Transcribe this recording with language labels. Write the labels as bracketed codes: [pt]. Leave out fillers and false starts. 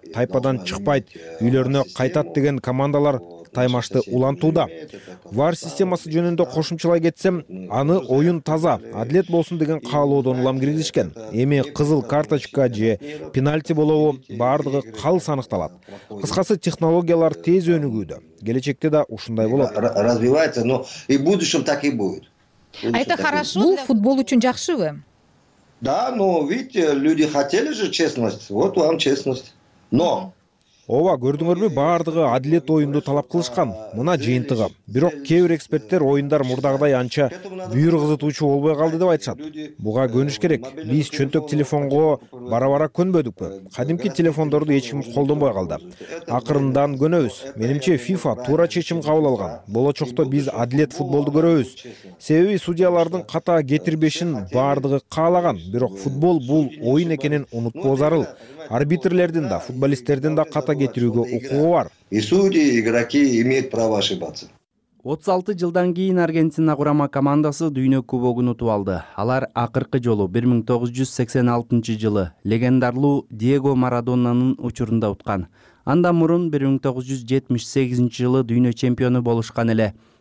[ky] Тайпадан чыкпайт, үйлөрүнө кайтат деген командалар таймашты улантууда. VAR системасы жөнүндө кошумчалай кетсем, аны оюн таза, адилет болсун деген каалоодон улам киргизишкен. Эми кызыл карточка же пенальти болобу бардыгы калыс аныкталат. Кыскасы технологиялар тез өнүгүүдө. Келечекте да ушундай болот. [ru] Развивается, но и в будущем так и будет. А это хорошо? [ky] Бул футбол үчүн жакшыбы? [ru] Да, но видите, люди хотели же честность. Вот вам честность. Но [ky] ооба, көрдүңөрбү, баардыгы адилет оюнду талап кылышкан. Мына жыйынтыгы. Бирок кээ бир эксперттер оюндар мурдагыдай анча бүйүр кызытуучу болбой калды деп айтышат. Буга көнүш керек. Биз чөнтөк телефонго бара-бара көнбөдүкпү? Кадимки телефондорду эч ким колдонбой калды. Акырындан көнөбүз. Менимче FIFA туура чечим кабыл алган. Болочокто биз адилет футболду көрөбүз. Себеби судьялардын катаа кетирбешин баардыгы каалаган. Бирок футбол бул оюн экенин унутпоо зарыл. Арбитрлердин да, футболисттердин да ката кетирүүгө укугу бар. [ru] И судьи, и игроки имеют право ошибаться. [ky] 36 жылдан кийин Аргентина курама командасы дүйнө кубогун утуп алды. Алар акыркы жолу 1986 жылы легендарлуу Диего Марадонанын учурунда уткан. Андан мурун 1978 жылы дүйнө чемпиону болушкан эле.